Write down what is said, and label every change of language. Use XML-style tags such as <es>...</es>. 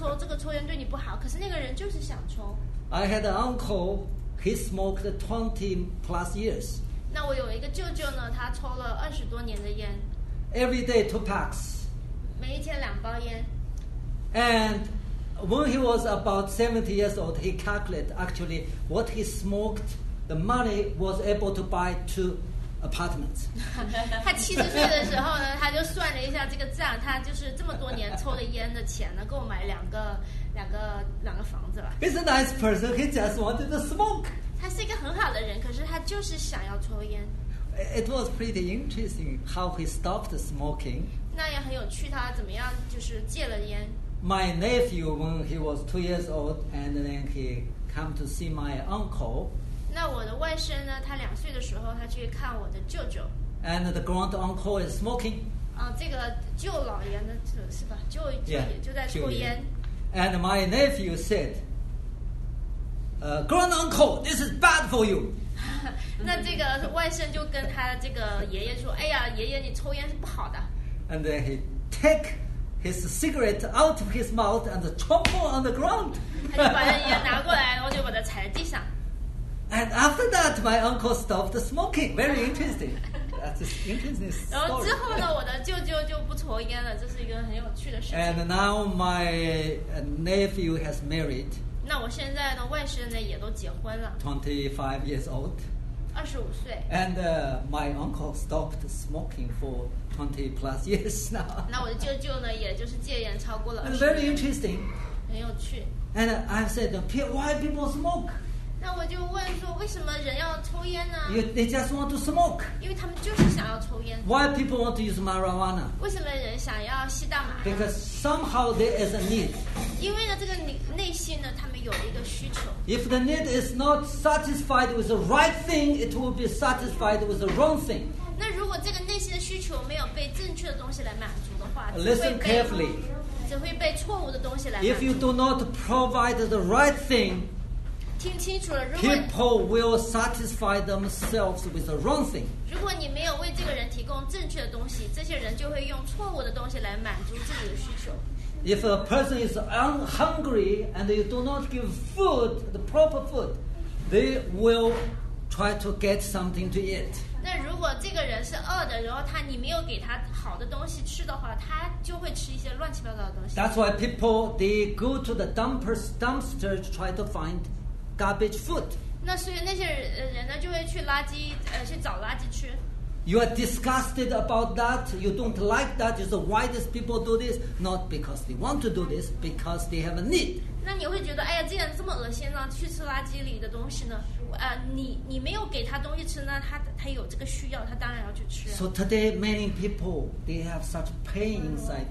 <zh>就像抽烟一样，你跟他说哦，不要抽，这个抽烟对你不好。可是那个人就是想抽。</zh> <en>I had an uncle. He smoked 20 plus years.</en> <zh>那我有一个舅舅呢，他抽了20多年的烟。</zh> <en>Every day 2 packs.</en> <zh>每一天2包烟。</zh> <en>And when he was about 70 years old, he calculated actually what he smoked, the money was able to buy 2 apartments.</en> <zh>他七十岁的时候呢，他就算了一下这个账，他就是这么多年抽的烟的钱呢，够买两个房子了。</zh> <en>He's a nice person. He just wanted to smoke.</en> <zh>他是一个很好的人，可是他就是想要抽烟。</zh> <en>it was pretty interesting how he stopped smoking.</en> <zh>那也很有趣，他怎么样就是戒了烟。</zh> <en>My nephew, when he was 2 years old, and then he came to see my uncle.</en> <zh>那我的外甥呢？他两岁的时候，他去看我的舅舅。</zh> <en>And the grand uncle is smoking.</en> <zh>啊，这个舅老爷呢，是吧？就在抽烟。</zh> <en>And my nephew said, "Grand uncle, this is bad for you."</en> <zh>那这个外甥就跟他这个爷爷说：“哎呀，爷爷，你抽烟是不好的。”</zh> <en>And then he take his cigarette out of his mouth and trample on the ground.</en> <zh>他就把那烟拿过来，然后就把它踩在地上。</zh> <en>And after that, my uncle stopped smoking. Very interesting. That's interesting.</en> <zh>然后之后呢，我的舅舅就不抽烟了，这是一个很有趣的事情。</zh> <en>And now my nephew has married.</en> <zh>那我现在的外甥呢，也都结婚了。</zh> <en>25 years old.</en> <zh>25岁。</zh> <en>And my uncle stopped smoking for 20 plus years now.</en> <zh>那我的舅舅呢，也就是戒烟超过了 20年。</zh> <en>Very interesting.</en> <zh>很有趣。</zh> <en>And I said, why people smoke?</en> <zh>那我就问说，为什么人要抽烟呢？</zh> <en>They just want to smoke.</en> <zh>因为他们就是想要抽烟。</zh> <en>Why people want to use marijuana?</en> <zh>为什么人想要吸大麻？</zh> <en>Because somehow there is a need.</en> <zh>因为呢，这个内心呢，他们有一个需求。</zh> <en>If the need is not satisfied with the right thing, it will be satisfied with the wrong thing.</en> <zh>那如果这个内心的需求没有被正确的东西来满足的话，</zh> <en>Listen carefully.</en> <zh>只会被错误的东西来满足。</zh> <en>If you do not provide the right thing,</en> <zh>听清楚了，如果</zh> <en>people will satisfy themselves with the wrong thing.</en> <zh>如果你没有为这个人提供正确的东西，这些人就会用错误的东西来满足自己的需求。</zh> <en>If a person is hungry and you do not give food, the proper food, they will try to get something to eat.</en> <zh>那如果这个人是饿的，然后你没有给他好的东西吃的话，他就会吃一些乱七八糟的东西。</zh> <en>That's why people they go to the dumpster to try to find garbage food.</en> <zh>那所以那些人呢，就会去垃圾去找垃圾吃。</zh> <en>You are disgusted about that. You don't like that. You say, why does people do this? Not because they want to do this, because they have a need.</en> <zh>那你会觉得，哎呀，既然这么恶心呢，去吃垃圾里的东西呢？你没有给他东西吃呢，他有这个需要，他当然要去吃。</zh> <en>So today, many people they have such pain inside.</en>